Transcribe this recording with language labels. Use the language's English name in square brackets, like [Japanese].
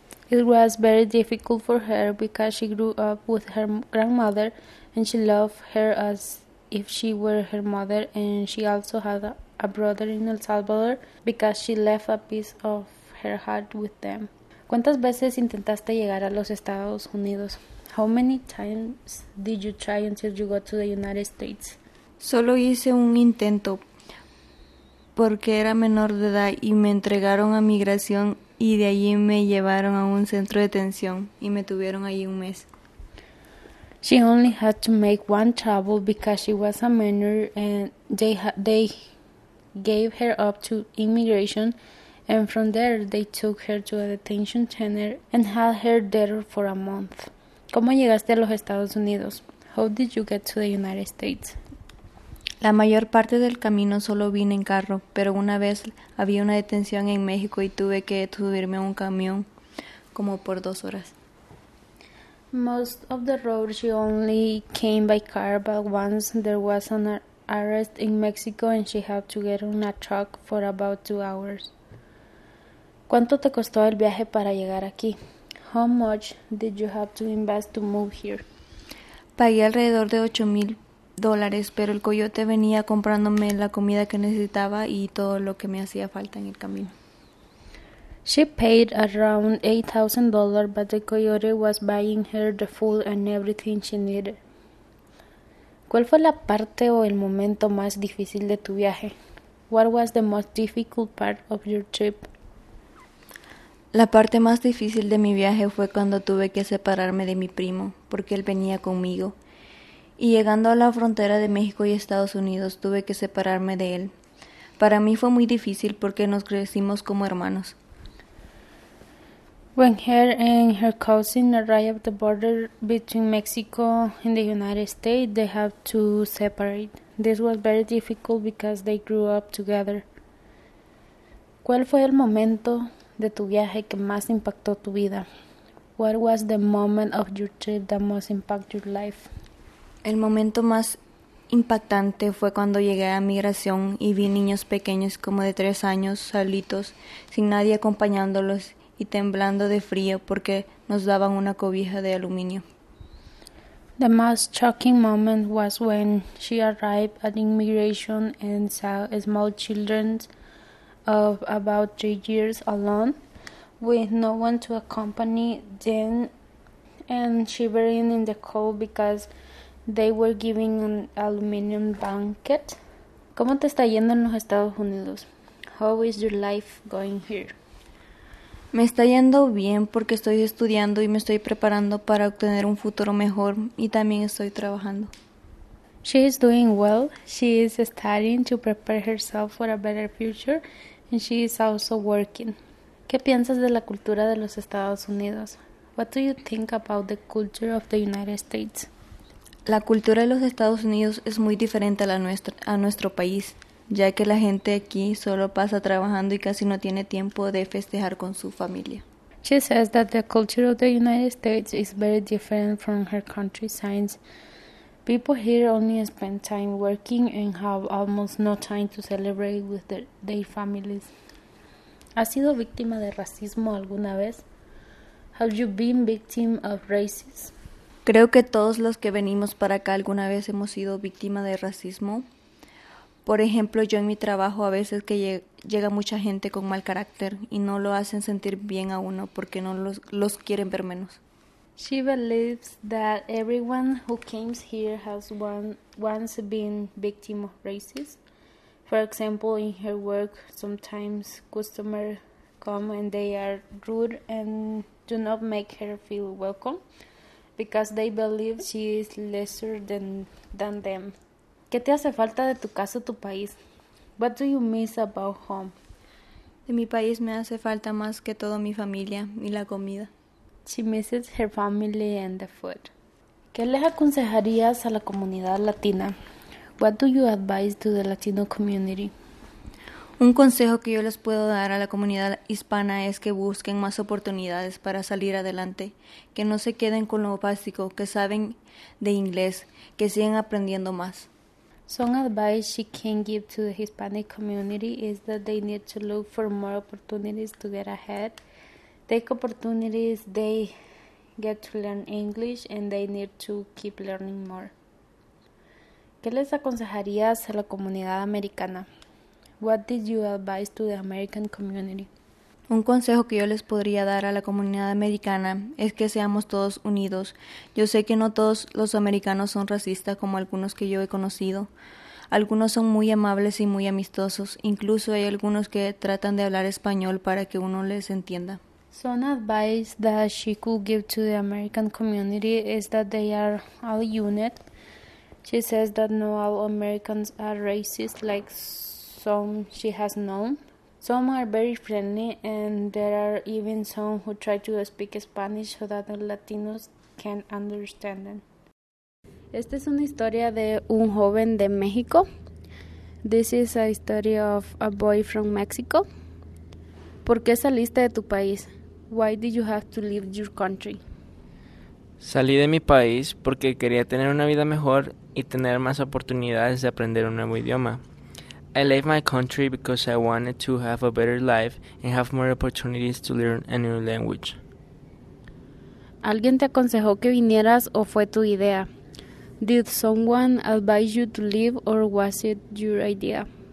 [English] It was very difficult for her because she grew up with her grandmother and she loved her as if she were her mother, and she also had a brother in El Salvador because she left a piece of her heart with them. [Spanish] ¿Cuántas veces intentaste llegar a los Estados Unidos? [English] How many times did you try until you got to the United States? [Spanish] Solo hice un intento porque era menor de edad y me entregaron a migración y de allí me llevaron a un centro de detención y me tuvieron allí un mes. [English] She only had to make one travel because she was a minor and they gave her up to immigration and from there they took her to a detention center and had her there for a month. [Spanish] ¿Cómo llegaste a los Estados Unidos? [English] How did you get to the United States? [Spanish] La mayor parte del camino solo vine en carro, pero una vez había una detención en México y tuve que subirme a un camión como por 2 horas. [English] Most of the road she only came by car, but once there was an arrest in Mexico and she had to get on a truck for about 2 hours. [Spanish] ¿Cuánto te costó el viaje para llegar aquí? [English] How much did you have to invest to move here? [Spanish] Pagué alrededor de $8,000, pero el coyote venía comprándome la comida que necesitaba y todo lo que me hacía falta en el camino. [English] She paid around $8,000, but the coyote was buying her the food and everything she needed. [Spanish] ¿Cuál fue la parte o el momento más difícil de tu viaje? [English] What was the most difficult part of your trip? [Spanish] La parte más difícil de mi viaje fue cuando tuve que separarme de mi primo, porque él venía conmigo. Y llegando a la frontera de México y Estados Unidos, tuve que separarme de él. Para mí fue muy difícil porque nos crecimos como hermanos. [English] When her and her cousin arrived at the border between Mexico and the United States, they had to separate. This was very difficult because they grew up together. [Spanish] ¿Cuál fue el momento de tu viaje que más impactó tu vida? [English] What was the moment of your trip that most impacted your life? [Spanish] El momento más impactante fue cuando llegué a migración y vi niños pequeños como de 3 años, solitos, sin nadie acompañándolos y temblando de frío porque nos daban una cobija de aluminio. [English] The most shocking moment was when she arrived at immigration and saw small children of about 3 years alone with no one to accompany them and shivering in the cold because they were given an aluminum blanket. [Spanish] ¿Cómo te está yendo en los Estados Unidos? [English] How is your life going here? [Spanish] Me está yendo bien porque estoy estudiando y me estoy preparando para obtener un futuro mejor y también estoy trabajando. [English] She is doing well. She is studying to prepare herself for a better future and she is also working. [Spanish] ¿Qué piensas de la cultura de los Estados Unidos? [English] What do you think about the culture of the United States? [Spanish] La cultura de los Estados Unidos es muy diferente a nuestro país, ya que la gente aquí solo pasa trabajando y casi no tiene tiempo de festejar con su familia. [English] She says that the culture of the United States is very different from her country, since people here only spend time working and have almost no time to celebrate with their families. [Spanish] ¿Has sido víctima de racismo alguna vez? [English] Have you been victim of racism? [Spanish] Creo que todos los que venimos para acá alguna vez hemos sido víctima de racismo. Por ejemplo, yo en mi trabajo a veces que llega mucha gente con mal carácter y no lo hacen sentir bien a uno porque no los quieren ver menos. [English] She believes that everyone who came here has once been victim of racism. For example, in her work, sometimes customers come and they are rude and do not make her feel welcome because they believe she is lesser than them. [Spanish] ¿Qué te hace falta de tu casa, tu país? [English] What do you miss about home? [Spanish] De mi país me hace falta más que todo mi familia y la comida. [English] She misses her family and the food. [Spanish] ¿Qué les aconsejarías a la comunidad latina? [English] What do you advise to the Latino community? [Spanish] Un consejo que yo les puedo dar a la comunidad hispana es que busquen más oportunidades para salir adelante, que no se queden con lo básico, que saben de inglés, que sigan aprendiendo más. [English] Some advice she can give to the Hispanic community is that they need to look for more opportunities to get ahead. Take opportunities, they get to learn English and they need to keep learning more. [Spanish] ¿Qué les aconsejarías a la comunidad americana? [English] What did you advise to the American community? [Spanish] Un consejo que yo les podría dar a la comunidad americana es que seamos todos unidos. Yo sé que no todos los americanos son racistas como algunos que yo he conocido. Algunos son muy amables y muy amistosos. Incluso hay algunos que tratan de hablar español para que uno les entienda. [English] Some advice that she could give to the American community is that they are all unit. She says that not all Americans are racist like some she has known. Some are very friendly and there are even some who try to speak Spanish so that the Latinos can understand them. [Spanish] Esta es una historia de un joven de México. [English] This is a story of a boy from Mexico. [Spanish] ¿Por qué saliste de tu país? [English] Why did you have to leave your country? [Spanish] Salí de mi país porque quería tener una vida mejor y tener más oportunidades de aprender un nuevo idioma. [English] I left my country because I wanted to have a better life and have more opportunities to learn a new language. [Spanish] ¿Alguien te aconsejó que vinieras o fue tu idea? [English] Did someone advise you to leave or was it your idea?